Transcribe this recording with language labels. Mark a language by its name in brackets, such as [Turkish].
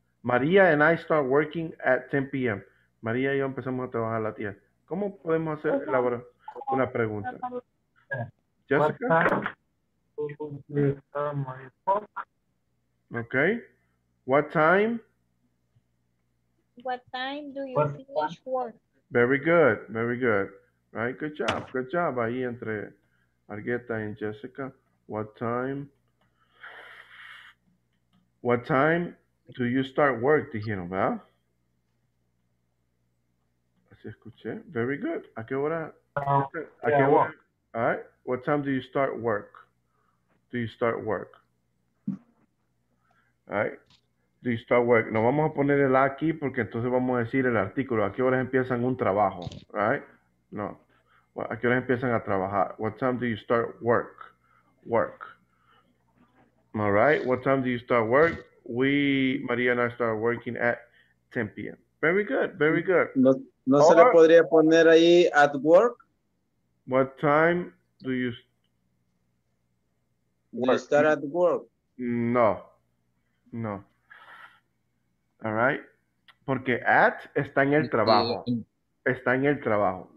[English] Maria and I start working at 10 p.m. [Spanish] Maria y yo empezamos a trabajar a la tía. ¿Cómo podemos hacer una pregunta? Jessica. [English] Okay. What time? What time do you finish work? Very good. Very good. Right? Good job. Good job. Ahí entre Argueta and Jessica. What time? What time do you start work? Dijeron, ¿verdad? [Spanish] Escuché. Very good. ¿A qué hora? ¿A qué hora? [English] All right. What time do you start work? Do you start work? All right. Do you start work? [Spanish] No vamos a poner el aquí porque entonces vamos a decir el artículo. ¿A qué horas empiezan un trabajo? Right? No. ¿A qué horas empiezan a trabajar? [English] What time do you start work? Work. All right. What time do you start work? We, Maria and I start working at 10 p.m. Very good. Very good. [Spanish] No se le podría poner ahí at work. [English] What time do you start at work? No. No. All right. [Spanish] Porque at está en el trabajo. Está en el trabajo.